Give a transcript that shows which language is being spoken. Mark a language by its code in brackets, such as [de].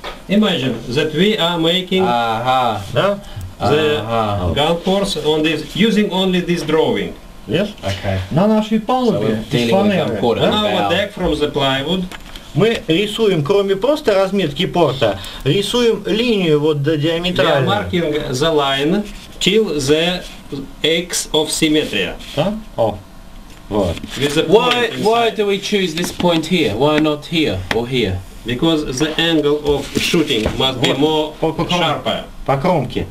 [en] Imagine that we are making the gun force on this, using only this drawing. Yes? Okay. [ru] На нашей палубе, из фанеры. [en] On our deck from the plywood. [ru] Мы рисуем, кроме просто разметки порта, рисуем линию вот до диаметрально. [en] We are marking the line till the X of symmetry. Why do we choose this point here? Why not here or here? Because the angle of shooting must be more sharper. [ru] По кромке.